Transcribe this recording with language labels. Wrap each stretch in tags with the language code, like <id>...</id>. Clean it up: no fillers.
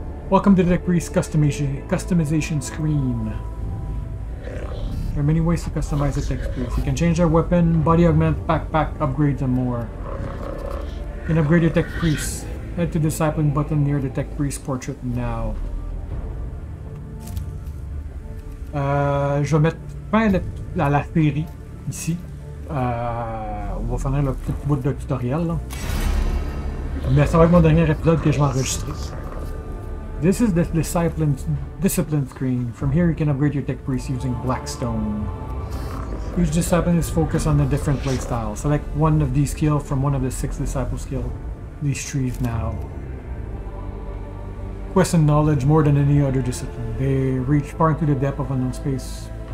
<en>Welcome to the tech grid customization screen. There are many ways to customize the tech grid. You can change their weapon, body augment, backpack, upgrades, and more. And upgrade your tech priest. Head to the discipline button near the tech priest portrait now.</en> <fr>Je vais mettre fin à la série ici. On va finir le petit bout de tutoriel là. Mais ça va être mon dernier épisode que je vais enregistrer.</fr> <en>This is the discipline screen. From here you can upgrade your tech priest using Blackstone. Each discipline is focused on a different playstyle. Select one of these skills from one of the six disciple skills. These trees now. Quest and knowledge more than any other discipline. They reach far into the depth of unknown space.</en>